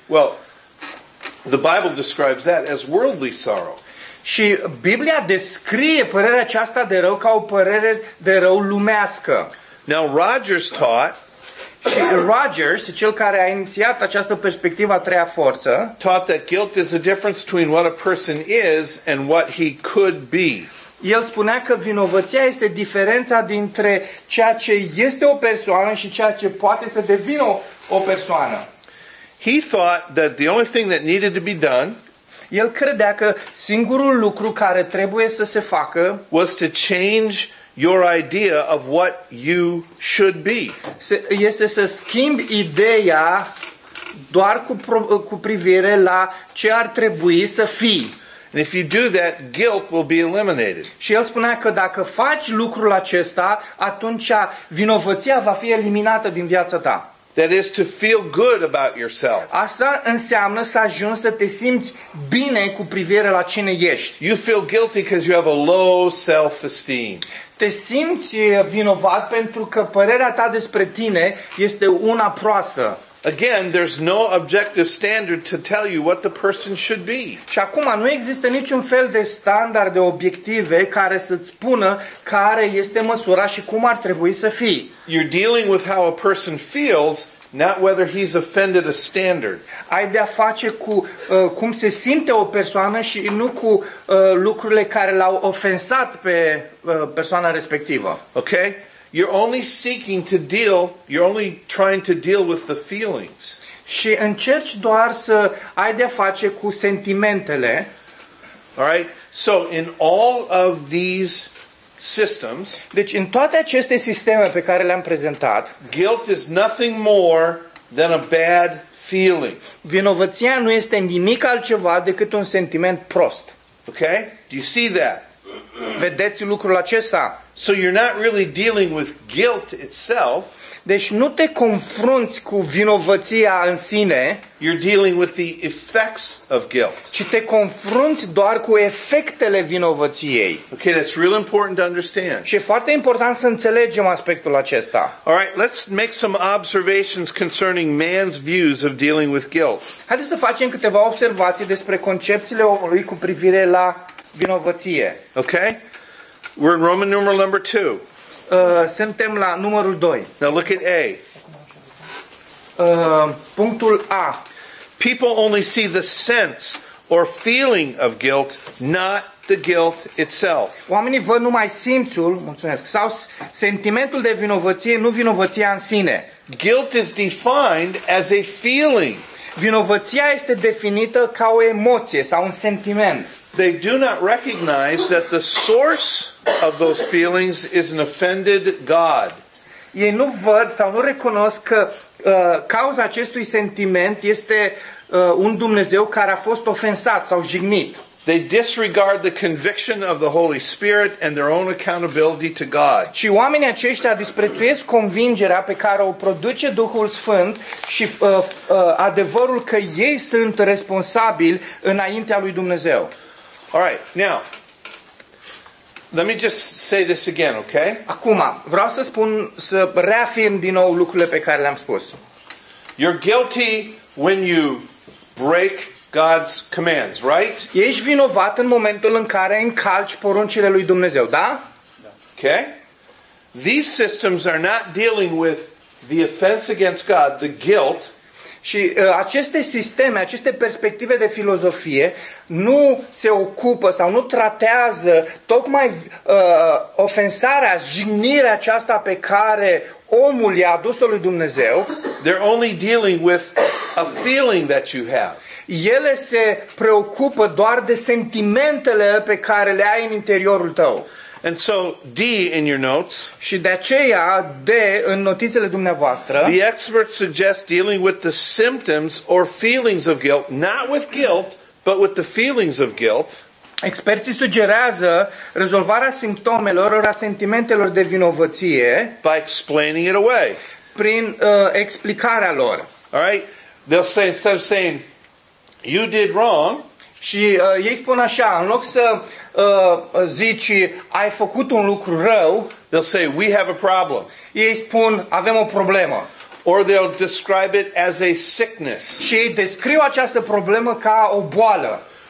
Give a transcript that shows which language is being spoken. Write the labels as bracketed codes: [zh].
[en] Well, the Bible describes that as worldly sorrow. [ro] Și Biblia descrie părerea aceasta de rău ca o părere de rău lumească. [en] Now Rogers taught. [ro] Și Rogers, cel care a inițiat această perspectivă a treia forță, [en] taught that guilt is the difference between what a person is and what he could be. [ro] El spunea că vinovăția este diferența dintre ceea ce este o persoană și ceea ce poate să devină o persoană. [en] He thought that the only thing that needed to be done. [ro] El credea că singurul lucru care trebuie să se facă [en] was to change your idea of what you should be. [ro] Este să schimbi ideea doar cu privire la ce ar trebui să fii. [en] And if you do that, guilt will be eliminated. [ro] Și el spunea că dacă faci lucrul acesta, atunci vinovăția va fi eliminată din viața ta. [en] That is to feel good about yourself. [ro] Asta înseamnă să ajungi să te simți bine cu privire la cine ești. [en] You feel guilty because you have a low self-esteem. [ro] Te simți vinovat pentru că părerea ta despre tine este una proastă. [en] Again, there's no objective standard to tell you what the person should be. [ro] Și acum nu există niciun fel de standarde obiective care să-ți spună care este măsura și cum ar trebui să fie. [en] You're dealing with how a person feels, not whether he's offended a standard. [ro] Ai de-a face cu cum se simte o persoană și nu cu lucrurile care l-au ofensat pe persoana respectivă. [en] Okay? You're only trying to deal with the feelings. [ro] Și încerci doar să ai de-a face cu sentimentele. [en] All right? So in all of these systems, [ro] deci în toate aceste sisteme pe care le-am prezentat, [en] guilt is nothing more than a bad feeling. [ro] Vinovăția nu este nimic altceva decât un sentiment prost. [en] Okay? Do you see that? [ro] Vedeți lucrul acesta? [en] So you're not really dealing with guilt itself. [ro] Deci nu te confrunți cu vinovăția în sine. [en] You're dealing with the effects of guilt. [ro] Ci te confrunți doar cu efectele vinovăției. [en] Okay, that's really important to understand. [ro] Și e foarte important să înțelegem aspectul acesta. [en] All right, let's make some observations concerning man's views of dealing with guilt. [ro] Haideți să facem câteva observații despre concepțiile omului cu privire la vinovăție. [en] Okay? We're in Roman numeral number 2. [ro] Suntem la numărul 2. [en] Now look at A. [ro] punctul A. [en] People only see the sense or feeling of guilt, not the guilt itself. [ro] Oamenii văd numai simțul, mulțumesc, sau sentimentul de vinovăție, nu vinovăția în sine. [en] Guilt is defined as a feeling. [ro] Vinovăția este definită ca o emoție sau un sentiment. [en] They do not recognize that the source of those feelings is an offended God. [ro] Ei nu văd sau nu recunosc că cauza acestui sentiment este un Dumnezeu care a fost ofensat sau jignit. [en] They disregard the conviction of the Holy Spirit and their own accountability to God. [ro] Și oamenii aceștia disprețuiesc convingerea pe care o produce Duhul Sfânt și adevărul că ei sunt responsabili înaintea lui Dumnezeu. [en] All right, now, let me just say this again, okay? [ro] Acum, vreau să spun, să reafirm din nou lucrurile pe care le-am spus. [en] You're guilty when you break God's commands, right? [ro] Ești vinovat în momentul în care încalci poruncile lui Dumnezeu, da? [en] Okay. These systems are not dealing with the offense against God, the guilt. [ro] Și aceste sisteme, aceste perspective de filozofie nu se ocupă sau nu tratează tocmai ofensarea, jignirea aceasta pe care omul i-a adus-o lui Dumnezeu. [en] They're only dealing with a feeling that you have. [ro] Ele se preocupă doar de sentimentele pe care le ai în interiorul tău. [en] And so D in your notes. [ro] Și de aceea D în notițele dumneavoastră. [en] The experts suggest dealing with the symptoms or feelings of guilt, not with guilt, but with the feelings of guilt. [ro] Experții sugerează rezolvarea simptomelor ori a sentimentelor de vinovăție [en] by explaining it away. [ro] Prin explicarea lor. [en] All right? They'll say instead of saying you did wrong, [ro] și ei spun așa, în loc să zici ai făcut un lucru rău, [en] they'll say we have a problem. [ro] Ei spun avem o problemă. [en] Or they'll describe it as a sickness. [ro] Și ei descriu această problemă ca o boală.